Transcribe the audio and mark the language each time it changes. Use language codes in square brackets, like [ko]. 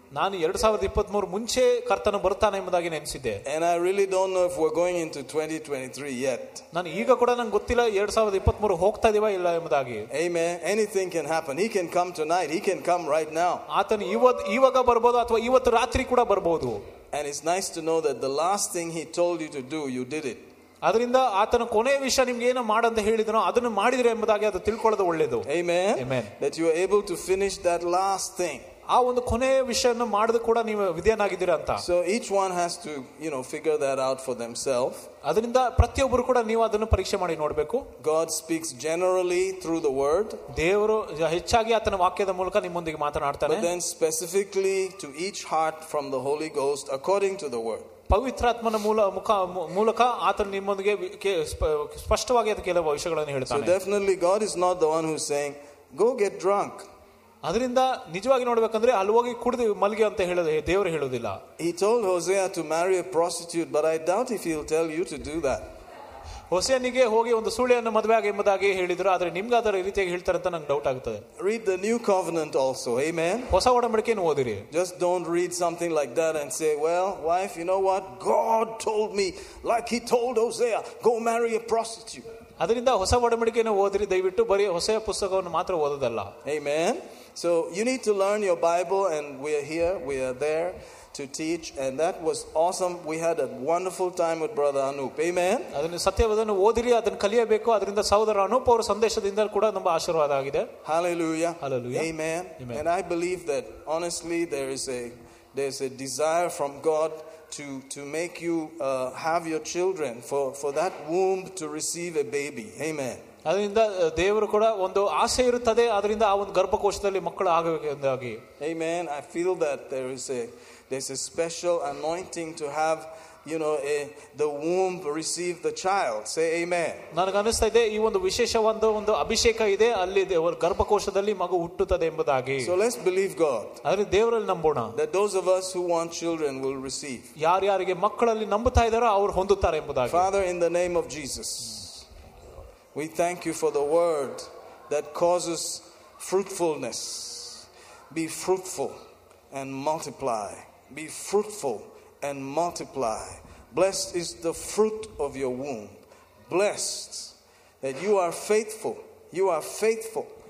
[kn] ನಾನು 2023 ಮುಂಚೆ ಕರ್ತನು ಬರ್ತಾನೆ ಎಂಬುದಾಗಿ ನೆನೆಸಿದ್ದೆ. [en] And I really don't know if we are going into 2023 yet. [kn] ನಾನು ಈಗ ಕೂಡ ನನಗೆ ಗೊತ್ತಿಲ್ಲ 2023 ಹೋಗ್ತಾ ಇದೀವ ಇಲ್ಲ ಎಂಬುದಾಗಿ. [en] Amen. Anything can happen. He can come tonight. He can come right now. [kn] ಆತನು ಇವಾಗ ಬರಬಹುದು ಅಥವಾ ಇವತ್ತು ರಾತ್ರಿ ಕೂಡ ಬರಬಹುದು. [en] And it's nice to know that the last thing he told you to do, you did it. [kn] ಅದರಿಂದ ಆತನ ಕೊನೆಯ ವಿಷಯ ನಿಮ್ಗೆ ಏನು ಮಾಡ ಅಂತ ಹೇಳಿದ್ರು ಅದನ್ನು ಮಾಡಿದ್ರೆ ಎಂಬುದಾಗಿ ಅದು ತಿಳ್ಕೊಳ್ಳೋದು ಒಳ್ಳೇದು. [en] Amen. Amen. That you are able to finish that last thing. [kn] ಆ ಒಂದು ಕೊನೆಯ ವಿಷಯವನ್ನು ಮಾಡಿದ ಕೂಡ ನೀವು ವಿಧೇಯನಾಗಿದ್ದೀರಾ ಅಂತ. [en] So each one has to, you know, figure that out for themselves. [kn] ಅದರಿಂದ ಪ್ರತಿಯೊಬ್ಬರು ಕೂಡ ನೀವು ಅದನ್ನು ಪರೀಕ್ಷೆ ಮಾಡಿ ನೋಡಬೇಕು. [en] God speaks generally through the word. [kn] ದೇವರು ಹೆಚ್ಚಾಗಿ ಆತನ ವಾಕ್ಯದ ಮೂಲಕ ನಿಮ್ಮೊಂದಿಗೆ ಮಾತನಾಡ್ತಾನೆ. [en] But then specifically to each heart from the Holy Ghost according to the word. [kn] ಪವಿತ್ರಾತ್ಮನ ಮೂಲಕ ಆತನು ನಿಮ್ಮೊಂದಿಗೆ ಸ್ಪಷ್ಟವಾಗಿ ಅದಕ್ಕೆ ಕೆಲವು ವಿಷಯಗಳನ್ನು ಹೇಳ್ತಾನೆ. [en] So definitely God is not the one who's saying go get drunk. [kn] ಅದರಿಂದ ನಿಜವಾಗಿ ನೋಡಬೇಕಂದ್ರೆ ಅಲ್ಲಿ ಹೋಗಿ ಕುಡಿದು ಮಲ್ಗೆ ಅಂತ ಹೇಳೋದು ದೇವರು ಹೇಳೋದಿಲ್ಲ. [en] He told Hosea to marry a prostitute, but I doubt if he'll tell you to do that. [kn] ಹೊಸೆಯನಿಗೆ ಹೋಗಿ ಒಂದು ಸುಳ್ಳಿಯನ್ನು ಮದುವೆಯಾಗಿ ಎಂಬುದಾಗಿ ಹೇಳಿದ್ರು, ಆದ್ರೆ ನಿಮ್ಗೆ ಅದರ ರೀತಿಯಾಗಿ ಹೇಳ್ತಾರೆ ಅಂತ ನಂಗೆ ಡೌಟ್ ಆಗುತ್ತದೆ. [en] Read the new covenant also. Amen. [kn] ಹೊಸ ಒಡಂಬಡಿಕೆಯನ್ನು ಓದಿರಿ. [en] Just don't read something like that and say well wife you know what God told me like he told Hosea go marry a prostitute. [kn] ಅದರಿಂದ ಹೊಸ ಒಡಂಬಡಿಕೆಯನ್ನು ಓದಿರಿ, ದಯವಿಟ್ಟು ಬರೀ ಹೊಸೆಯ ಪುಸ್ತಕವನ್ನು ಮಾತ್ರ ಓದೋದಲ್ಲ. [en] Amen. So you need to learn your Bible, and we are here, we are there to teach, and that was awesome. We had a wonderful time with Brother Anoop. Amen. [kn] ಅದನ್ನು ಸತ್ಯವದನ್ನು ಓದಿರಿ, ಅದನ್ನು ಕಲಿಯಬೇಕು. ಅದರಿಂದ ಸಹೋದರ ಅನೂಪ್ ಅವರ ಸಂದೇಶದಿಂದ ಕೂಡ ನಮ್ಮ ಆಶೀರ್ವಾದ ಆಗಿದೆ. [en] Hallelujah. Hallelujah. Amen. And I believe that honestly there is a desire from God to make you have your children for that womb to receive a baby. Amen. [kn] ಅದರಿಂದ ದೇವರು ಕೂಡ ಒಂದು ಆಸೆ ಇರುತ್ತದೆ, ಅದರಿಂದ ಆ ಒಂದು ಗರ್ಭಕೋಶದಲ್ಲಿ ಮಕ್ಕಳು ಆಗಬೇಕು ಎಂದಾಗಿ. [en] Amen. I feel that there is a special anointing to have, you know, the womb receive the child. Say amen. [kn] ನನಗೆ ಅನಿಸ್ತಾ ಇದೆ ಈ ಒಂದು ವಿಶೇಷವಾದ ಒಂದು ಅಭಿಷೇಕ ಇದೆ ಅಲ್ಲಿ ಗರ್ಭಕೋಶದಲ್ಲಿ ಮಗು ಹುಟ್ಟುತ್ತದೆ ಎಂಬುದಾಗಿ. [en] So let's believe God. [kn] ಅದರಿಂದ ದೇವರಲ್ಲಿ ನಂಬೋಣ. [en] That those of us who want children will receive. [kn] ಯಾರು ಯಾರಿಗೆ ಮಕ್ಕಳಲ್ಲಿ ನಂಬುತ್ತಾ ಇದ್ದಾರೋ ಅವರು ಹೊಂದುತ್ತಾರೆ ಎಂಬುದಾಗಿ. [en] Father, in the name of Jesus, we thank you for the word that causes fruitfulness. Be fruitful and multiply. Be fruitful and multiply. Blessed is the fruit of your womb. Blessed that you are faithful. You are faithful.